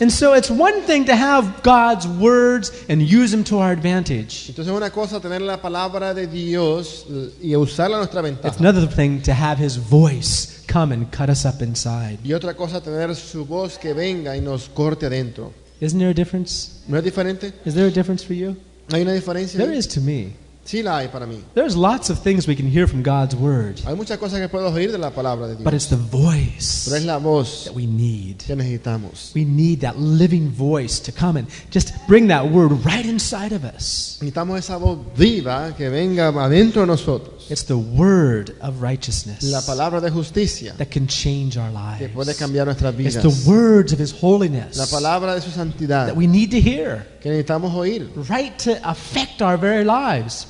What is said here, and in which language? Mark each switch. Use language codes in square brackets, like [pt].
[en] And so it's one thing to have God's words and use them to our advantage. [es] Entonces una cosa tener la palabra de Dios y usarla a nuestra ventaja. [en] It's another thing to have his voice come and cut us up inside. [es] Y otra cosa tener su voz que venga y nos corte adentro. [en] Isn't there a difference? [es] ¿No es diferente? [en] Is there a difference for you? [es] ¿Hay una diferencia? [en] There is to me. [es] Sí, la hay para mí. [en] There's lots of things we can hear from God's word. [es] Hay muchas cosas que puedo oír de la palabra de Dios. [en] But it's the voice. [es] Pero es la voz [en] that we need. [es] Que necesitamos. [en] We need that living voice to come and just bring that word right inside of us. [es] Necesitamos esa voz viva que venga adentro de nosotros. [en] It's the word of righteousness. [es] La palabra de justicia. [en] That can change our lives. [es] Que puede cambiar nuestras vidas. [en] It's the words of his holiness. [es] La palabra de su santidad. [en] That we need to hear. [es] Que necesitamos oír. [en] Right to affect our very lives.